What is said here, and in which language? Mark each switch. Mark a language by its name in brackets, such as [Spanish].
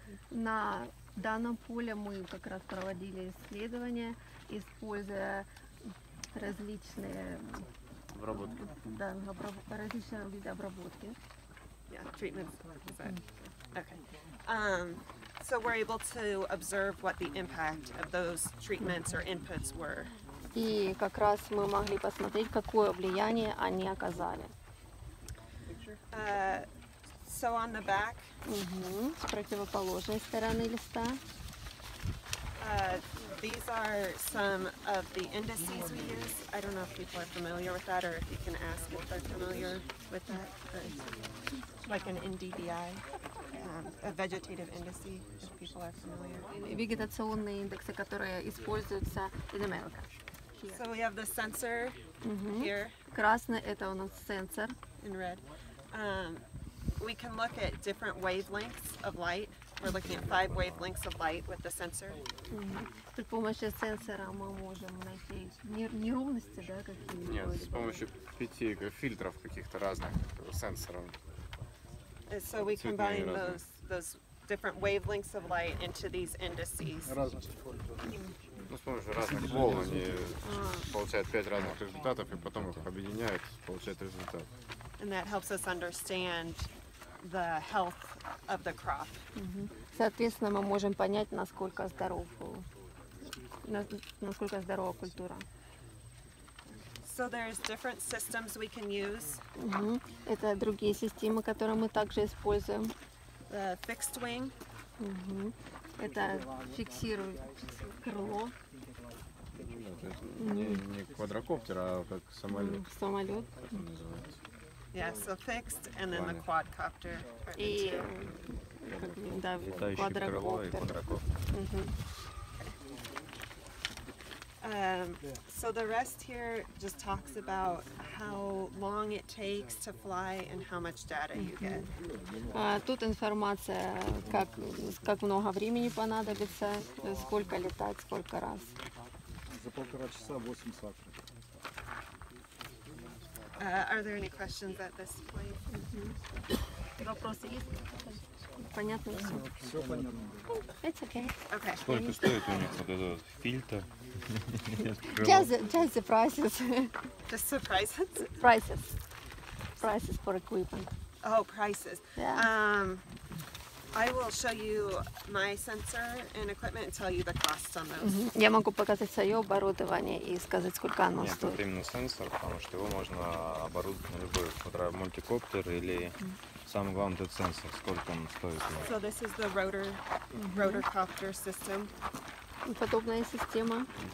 [Russian] На данном поле мы как раз проводили исследования, используя различные обработки. Да, различные виды обработки. [English] Yeah, treatments. Okay. So we're able to observe what the impact of those treatments or inputs were. [Russian] И как раз мы могли посмотреть, какое влияние они оказали. [English] So on the back. [Russian] С противоположной стороны листа. [English] These are some of the indices we use. I don't know if people are familiar with that, or if you can ask if they're familiar with that. Like an NDVI, a vegetative indice, if people are familiar. [Russian] Вегетационные индексы, которые используются [English] in America. Here. So we have the sensor here. [Russian] Красный — это у нас сенсор. [English] In red. We can look at different wavelengths of light. We're looking at 5 wavelengths of light with the sensor. [Russian] При помощи сенсора мы можем найти неровности, да, какие-то? Нет, с помощью 5 фильтров каких-то разных сенсоров. [English] So we combine those different wavelengths of light into these indices. [Russian] Ну, с помощью разных волн они получают 5 разных результатов, и потом их объединяют, получают результат. [English] And that helps us understand the health of the crop. [Russian] Соответственно, мы можем понять, насколько здоров, насколько здорова культура. [English] So there's different systems we can use. [Russian] Это другие системы, которые мы также используем. [English] The fixed wing. [Russian] Это фиксирует крыло. Не квадрокоптер, а как самолет. Самолет. [English] Yeah, so fixed, and then the quadcopter. [Russian] И да, квадрокоптер. [English] So the rest here just talks about how long it takes to fly and how much data you get. [Russian] Тут информация, как много времени понадобится, сколько летать, сколько раз. За полтора часа 8 сатур. [English] Are there any questions at this point? [Russian] Вопросы есть? Понятно. Все понятно. [English] It's okay. Okay. [Russian] Сколько стоит у них вот этот фильтр? [English] Just the prices. Just the prices? Prices. Prices for equipment. Oh, prices. Yeah. I will show you my sensor and equipment and tell you the costs on those. [Russian] Я могу показать свое оборудование и сказать, сколько оно стоит. Нет, это именно сенсор, потому что его можно оборудовать на любой мультикоптер или... Самое главное — этот сенсор, сколько он стоит. [English] So this is the rotor-copter system. [Russian] Подобная система.